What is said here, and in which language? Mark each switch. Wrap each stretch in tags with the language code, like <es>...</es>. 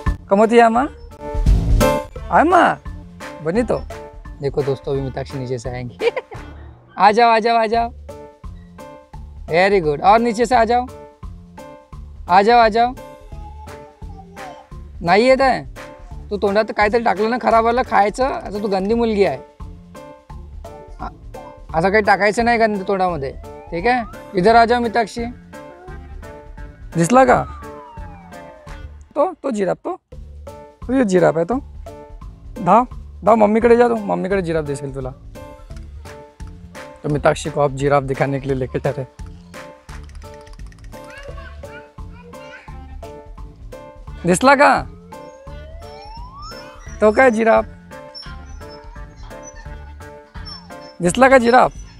<hi>कमोतिया माँ आए माँ बनी तो देखो दोस्तों अभी मिताक्षी नीचे से आएंगी। आ जाओ आ जाओ आ जाओ, वेरी गुड, और नीचे से आ जाओ आ जाओ आ जाओ।</hi> <mr>नहीं येत आहे, तू तोंडात काय तरी टाकलं ना खराब वाला खायचं, आता तू गंदी मुलगी आहे, असं काही टाकायचं नाही गंद तोंडामध्ये, ठीक आहे।</mr> <hi>इधर आ जाओ मिताक्षी,</hi> <mr>दिसला का तो जिराब, तो ये जिराब आहे, तो धाव धाव मम्मीकडे जा, तू मम्मीकडे जिराब दिसेल तुला।</mr> <hi>तो मिताक्षी को आप जिराब दिखाने के लिए लेके जा रहे,</hi> <mr>दिसला का तो</mr> <hi>क्या जिराफ,</hi> <mr>दिसला का जिराफ,</mr>